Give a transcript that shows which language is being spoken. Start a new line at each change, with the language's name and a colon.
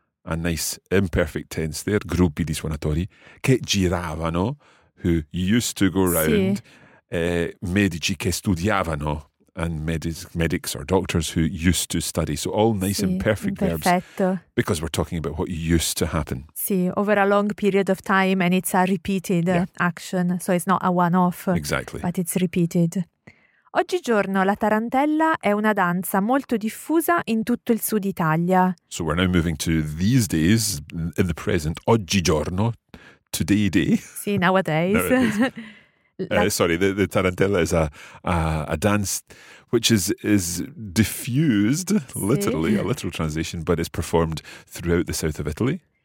English: A nice imperfect tense there,
Italian: gruppi di suonatori, che giravano,
English: who used to go around,
Italian: medici che studiavano,
English: and medics or doctors who used to study. So all nice imperfect verbs.
Italian: Perfetto.
English: Because we're talking about what used to happen. Sì, over a long period of time, and it's a repeated action, so it's not a one-off. Exactly. But it's repeated.
Italian: Oggigiorno la tarantella è una danza molto diffusa in tutto il sud Italia.
English: So we're now moving to these days, in the present, oggigiorno, today day. Sì, nowadays. Sorry, the tarantella is a dance which is diffused, sì. Literally, a literal translation, but it's performed throughout the south of Italy.